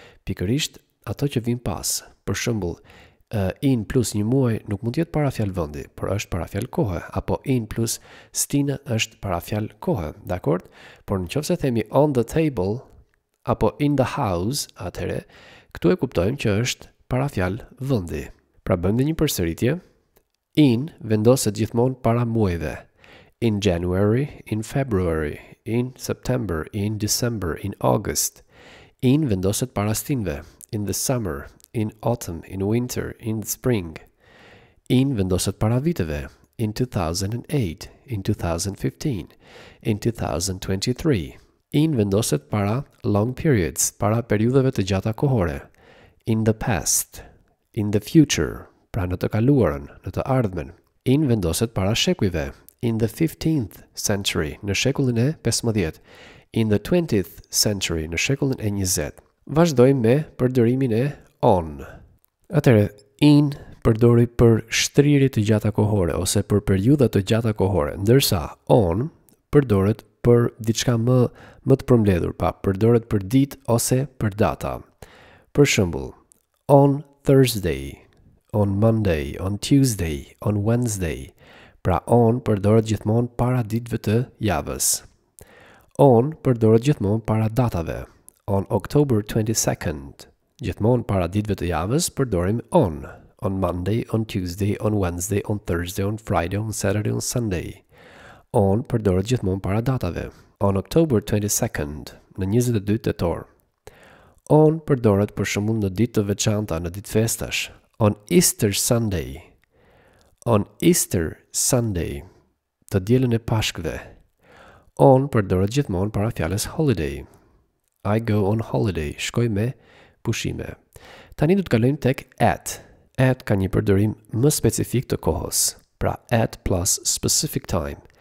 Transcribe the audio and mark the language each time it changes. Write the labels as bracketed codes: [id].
[sq] Pikërisht ato që vijnë pas. Për shembull, in plus një muaj nuk mund të jetë parafjalë vendi, por është parafjalë kohe, apo in plus stinë është parafjalë kohe, dakord? Por nëse themi [en] on the table [sq] apo [en] in the house, [sq] atëherë këtu e kuptojmë që është parafjalë vendi. Pra bëjmë një përsëritje. In vendoset gjithmonë para muajve. [en] In January, in February, in September, in December, in August. In [sq] vendoset para stinve. [en] In the summer, in autumn, in winter, in spring. In [sq] vendoset para viteve. [en] In 2008, in 2015, in 2023. [sq] In vendoset para [en] long periods, [sq] para periudhave të gjata kohore. [en] In the past, in the future, [sq] pra në të kaluarën, në të ardhmen. In vendoset para shekujve. [en] In the 15th century, [sq] në shekullin e 15, [en] in the 20th century, [sq] në shekullin e 20. Vazhdojmë me përdorimin e on. Atëherë, in përdori për shtrirje të gjata kohore, ose për periudha të gjata kohore, ndërsa on përdoret për diçka më të përmbledhur, pa përdoret për ditë ose për data. [en] Për shembull, on Thursday, on Monday, on Tuesday, on Wednesday. [sq] Pra on përdoret gjithmonë para ditëve të javës. On përdoret gjithmonë para datave. [en] On October 22nd. [sq] Gjithmonë para ditëve të javës përdorim on. [en] On Monday, on Tuesday, on Wednesday, on Thursday, on Friday, on Saturday, on Sunday. [sq] On përdoret gjithmonë para datave. [en] On October 22nd, [sq] në 22 tetor. On përdoret për shembull në ditë të veçanta, në ditë festash. [en] On Easter Sunday. On Easter Sunday, [sq] të dielën e Pashkëve. On përdoret gjithmonë para fjalës holiday. [en] I go on holiday, [sq] shkoj me pushime. Tani du të kalojmë tek at. At ka një përdorim më specifik të kohës. Pra at plus [en] specific time.